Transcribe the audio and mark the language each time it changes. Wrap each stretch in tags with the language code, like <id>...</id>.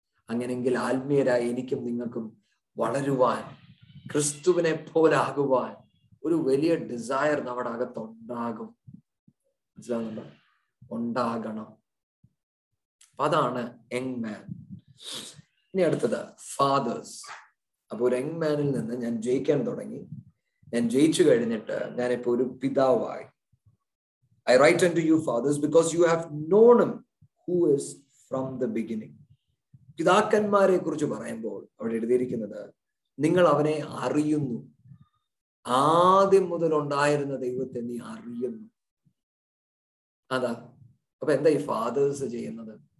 <ml>അങ്ങനെങ്കിൽ ആത്മീയരായി എനിക്കും നിങ്ങൾക്കും വളരുവാൻ, ക്രിസ്തുവിനെ പോലാകുവാൻ ഒരു വലിയ ഡിസയർ നമ്മുടെ അകത്തുണ്ടാകും. മനസ്സിലാകുന്നുണ്ടോ? ഉണ്ടാകണം. അപ്പൊ അതാണ് യങ് മാൻ. ഇനി അടുത്തത് ഫാദേഴ്സ്. അപ്പൊ ഒരു യങ് മാനിൽ നിന്ന് ഞാൻ ജയിക്കാൻ തുടങ്ങി. ഞാൻ ജയിച്ചു കഴിഞ്ഞിട്ട് ഞാനിപ്പോ ഒരു പിതാവായി.</ml> <en>I write unto you fathers because you have known him who is from the beginning.</en> <ml>പിതാക്കന്മാരെ കുറിച്ച് പറയുമ്പോൾ അവിടെ എഴുതിയിരിക്കുന്നത്, നിങ്ങൾ അവനെ അറിയുന്നു, ആദ്യം മുതലുണ്ടായിരുന്ന ദൈവത്തെ നീ അറിയുന്നു. അതാ അപ്പൊ എന്താ ഈ ഫാദേഴ്സ് ചെയ്യുന്നത്?</ml>